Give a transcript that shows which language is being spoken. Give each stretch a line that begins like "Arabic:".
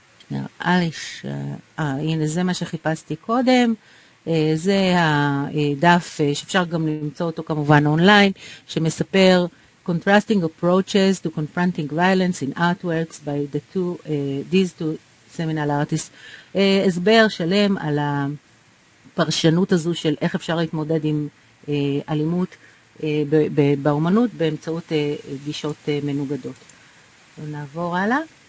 Hebrew: נראה לי הנה זה מה שחיפשתי קודם. זה הדף שאפשר גם למצוא אותו כמובן אונליין, שמספר...
English: Contrasting approaches to confronting violence in artworks by the two these two seminal artists.
Hebrew: הסבר שלם על הפרשנות הזו של איך אפשר להתמודד עם אלימות באומנות באמצעות גישות מנוגדות. נעבור הלאה.